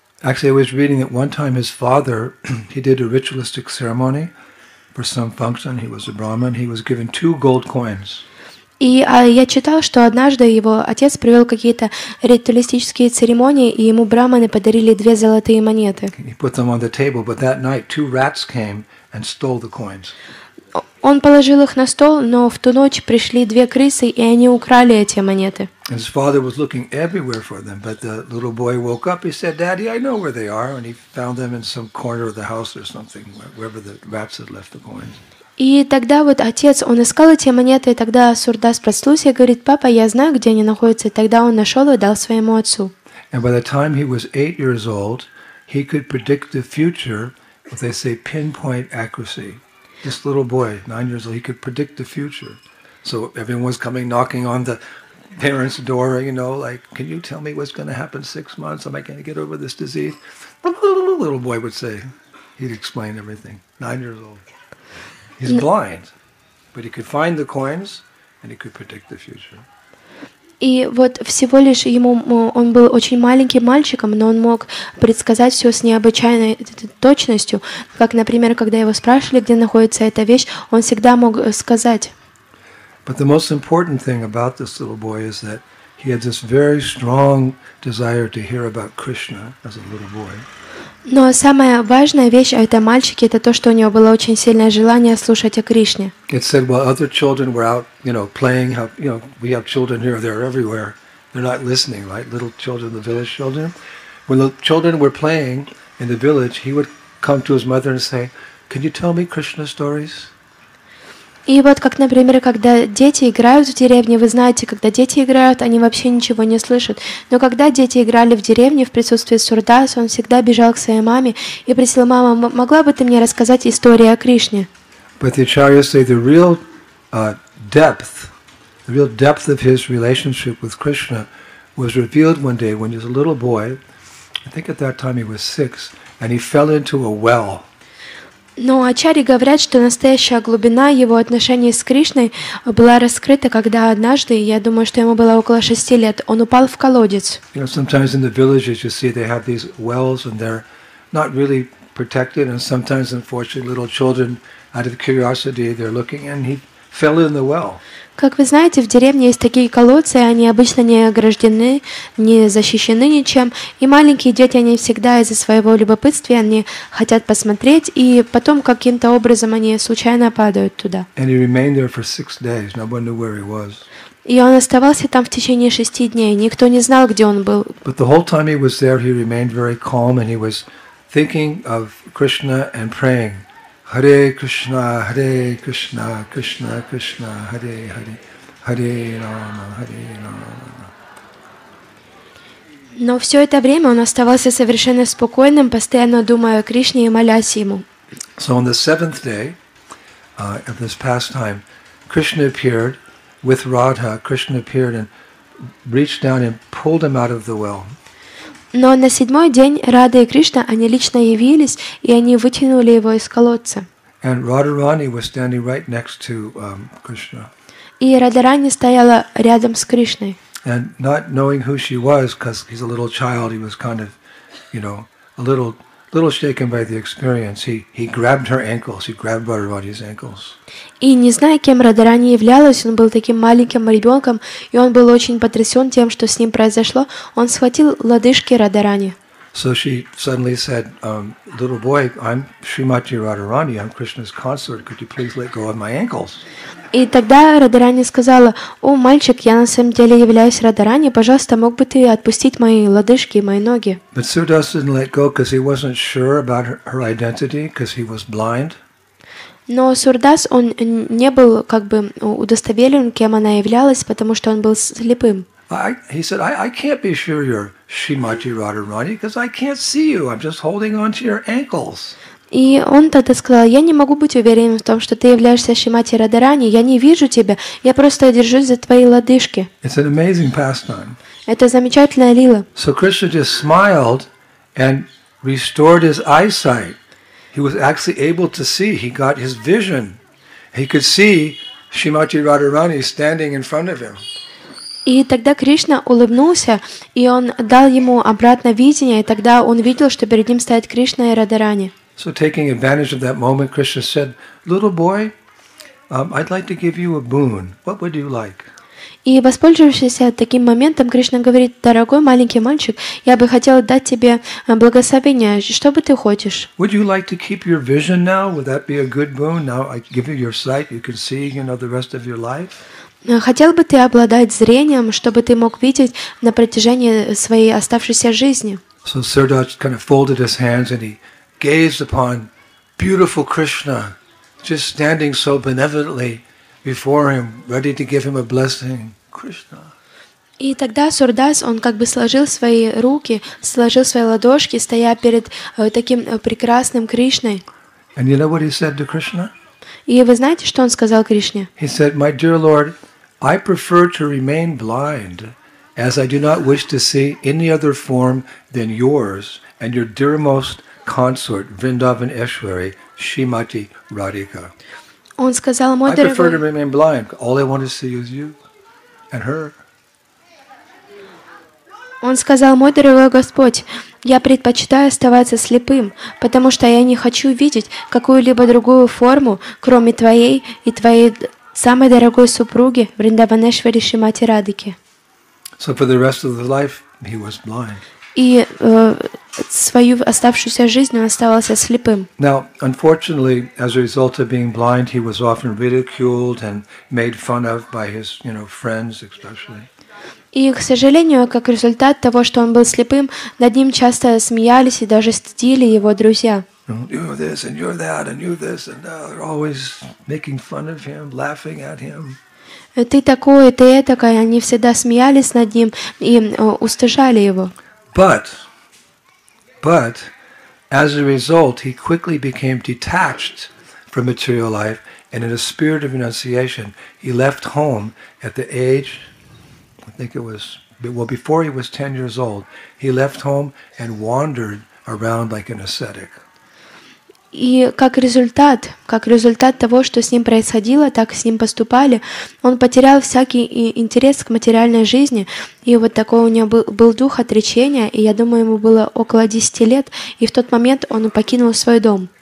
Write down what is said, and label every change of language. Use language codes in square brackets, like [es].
[en] Actually, I was reading that one time his father, he did a ritualistic ceremony for some function. He was a Brahmin. He was given 2 gold coins. [ru] И я читал, что однажды его отец провел какие-то ритуалистические церемонии, и ему брахманы подарили 2 золотые монеты. [en] He put them on the table, but that night 2 rats came and stole the coins. [ru] Он положил их на стол, но в ту ночь пришли 2 крысы, и они украли эти монеты. [en] And his father was looking everywhere for them, but the little boy woke up. He said, "Daddy, I know where they are," and he found them in some corner of the house or something, wherever the rats had left the coins. [ru] И тогда вот отец, он искал эти монеты, и тогда Сурдас проснулся и говорит, «Папа, я знаю, где они находятся». И тогда он нашел и дал своему отцу. [en] And by the time he was 8 years old, he could predict the future, what they say, pinpoint accuracy. This little boy, 9 years old, he could predict the future. So everyone was coming, knocking on the parents' door, you know, like, can you tell me what's going to happen 6 months? Am I going to get over this disease? The little boy would say, he'd explain everything, 9 years old. He's blind, but he could find the coins and he could predict the future. [ru] И вот всего лишь ему, он был очень маленьким мальчиком, но он мог предсказать все с необычайной точностью. Как, например, когда его спрашивали, где находится эта вещь, он всегда мог сказать. [en] But the most important thing about this little boy is that he had this very strong desire to hear about Krishna as a little boy. [ru] Но самая важная вещь о этом мальчике – это то, что у него было очень сильное желание слушать о Кришне. [en] It said, well, other children were out, you know, playing. How, you know, we have children here, they're everywhere. They're not listening, right? Little children, the village children. When the children were playing in the village, he would come to his mother and say, "Can you tell me Krishna stories?" [ru] И вот, как, например, когда дети играют в деревне, вы знаете, когда дети играют, они вообще ничего не слышат. Но когда дети играли в деревне в присутствии Сурдаса, он всегда бежал к своей маме и просил: «Мама, могла бы ты мне рассказать историю о Кришне?» [en] But the acharyas say the real depth of his relationship with Krishna was revealed one day when he was a little boy. I think at that time he was 6, and he fell into a well. [ru] Но ачари говорят, что настоящая глубина его отношений с Кришной была раскрыта, когда однажды, я думаю, что ему было около 6 лет, он упал в колодец. [en] You know, sometimes in the villages, you see, they have these wells, and they're not really protected, and sometimes, unfortunately, little children, out of curiosity, they're looking, and he fell in the well. [ru] Как вы знаете, в деревне есть такие колодцы, они обычно не ограждены, не защищены ничем. И маленькие дети, они всегда из-за своего любопытства, они хотят посмотреть, и потом каким-то образом они случайно падают туда. [en] And he remained there for 6 days. Nobody knew where he was. [ru] И он оставался там в течение 6 дней. Никто не знал, где он был. [en] But the whole time he was there, he remained very calm, and he was thinking of Krishna and praying. [sa] Hare Krishna, Hare Krishna, Krishna Krishna, Hare Hare, Hare Rama, Hare Rama. [ru] Но все это время он оставался совершенно спокойным, постоянно думая о Кришне и молясь ему. [en] So on the 7th day of this pastime, Krishna appeared with Radha. Krishna appeared and reached down and pulled him out of the well. [ru] Но на 7-й день Рада и Кришна, они лично явились, и они вытянули его из колодца. [en] And Radharani was standing right next to Krishna. [ru] И Радарани стояла рядом с Кришной. [en] And not knowing who she was, because he's a little child, he was kind of, you know, a little little shaken by the experience, he grabbed her ankles. He grabbed Radharani's ankles. [ru] И не зная, кем Радхарани являлась, он был таким маленьким ребенком, и он был очень потрясен тем, что с ним произошло. Он схватил лодыжки Радхарани. [en] So she suddenly said, "Little boy, I'm Srimati Radharani. I'm Krishna's consort. Could you please let go of my ankles?" [ru] И тогда Радхарани сказала: "О, мальчик, я на самом деле являюсь Радхарани. Пожалуйста, мог бы ты отпустить мои лодыжки и мои ноги?" [en] But Suddhas didn't let go because he wasn't sure about her identity because he was blind. [ru] Но Сурдас, он не был как бы удостоверен, кем она являлась, потому что он был слепым. [en] He said, I can't be sure you're Srimati Radharani because I can't see you. I'm just holding on to your ankles. [ru] И он тогда сказал: "Я не могу быть уверен в том, что ты являешься Шримати Радхарани. Я не вижу тебя. Я просто держусь за твои лодыжки." [en] It's an amazing pastime. [ru] Это замечательная лила. [en] So Krishna just smiled and restored his eyesight. He was actually able to see. He got his vision. He could see Srimati Radharani standing in front of him. [ru] И тогда Кришна улыбнулся, и он дал ему обратно видение, и тогда он видел, что перед ним стоят Кришна и Радхарани. [en] So taking advantage of that moment, Krishna said, "Little boy, I'd like to give you a boon. What would you like?" [ru] И воспользовавшись таким моментом, Кришна говорит: "Дорогой маленький мальчик, я бы хотел дать тебе благословение. Что бы ты хочешь?" [en] Would you like to keep your vision now? Would that be a good boon? Now I give you your sight, you can see, you know, the rest of your life. [ru] Хотел бы ты обладать зрением, чтобы ты мог видеть на протяжении своей оставшейся жизни? [en] So Sirdar kind of folded his hands and he gazed upon beautiful Krishna, just standing so benevolently before him, ready to give him a blessing, Krishna. [ru] И тогда Сурдас, он как бы сложил свои руки, сложил свои ладошки, стоя перед таким прекрасным Кришной. [en] And you know what he said to Krishna? [ru] И вы знаете, что он сказал Кришне? [en] He said, "My dear Lord, I prefer to remain blind, as I do not wish to see any other form than yours and your dearmost consort, Vrindavan Eshwari, Srimati Radhika." [ru] Он сказал: "Мой дорогой, [en] I prefer to remain blind. All I want to see is you and her." [ru] Он сказал: "Мой дорогой Господь, я предпочитаю оставаться слепым, потому что я не хочу видеть какую-либо другую форму, кроме твоей и твоей самой дорогой супруги, Вриндаванешвари Шримати Радхики." [en] So for the rest of his life, he was blind. [ru] И свою оставшуюся жизнь он оставался слепым. [en] Now, unfortunately, as a result of being blind, he was often ridiculed and made fun of by his, you know, friends, especially. [ru] И, к сожалению, как результат того, что он был слепым, над ним часто смеялись и даже стыдили его друзья. [en] You're this and you're that and you're this and they're always making fun of him, laughing at him. [ru] Ты такой, ты этакой, они всегда смеялись над ним и устыжали его. [en] But as a result, he quickly became detached from material life, and in a spirit of renunciation, he left home at the age, I think it was, well, before he was 10 years old, he left home and wandered around like an ascetic. [ru] И как результат того, что с ним происходило, так с ним поступали, он потерял всякий интерес к материальной жизни, и вот такой у него был дух отречения, и я думаю, ему было около 10 лет, и в тот момент он покинул свой дом.